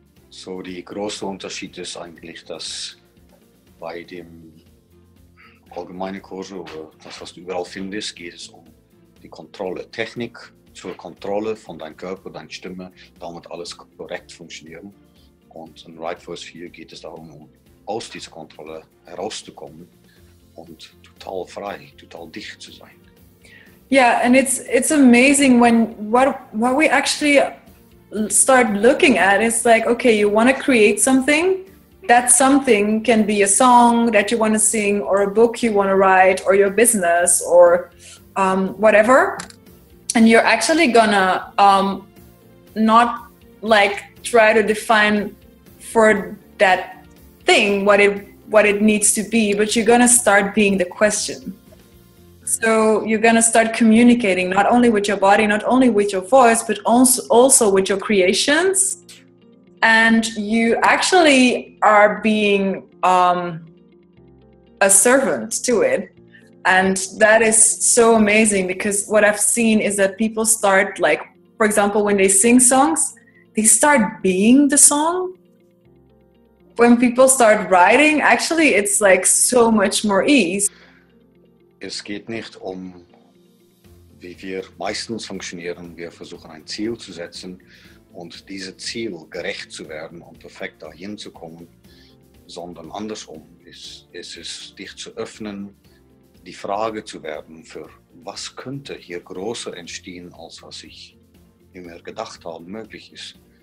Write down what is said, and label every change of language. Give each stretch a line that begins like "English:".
German: So die große Unterschied ist eigentlich, dass bei dem allgemeinen Kurs oder das, was du überall findest, geht es um die Kontrolle, Technik zur Kontrolle von deinem Körper, deiner Stimme, damit alles korrekt funktionieren. Und in Right Voice 4 geht es darum, aus dieser Kontrolle herauszukommen und total frei, total dicht zu sein.
English: Yeah, and it's amazing when what we actually start looking at is like, okay, you want to create something. That something can be a song that you want to sing, or a book you want to write, or your business, or whatever. And you're actually gonna not like try to define for that thing what it needs to be, but you're gonna start being the question. So you're gonna start communicating not only with your body, not only with your voice, but also with your creations. And you actually are being a servant to it. And that is so amazing, because what I've seen is that people start, like, for example, when they sing songs, they start being the song. When people start writing, actually, it's like so much more ease.
German: Es geht nicht um wie wir meistens funktionieren. Wir versuchen ein Ziel zu setzen und diesem Ziel gerecht zu werden und perfekt dahin zu kommen, sondern andersrum. Es ist dich zu öffnen, die Frage zu werden, für was könnte hier größer entstehen, als was ich immer gedacht habe, möglich ist.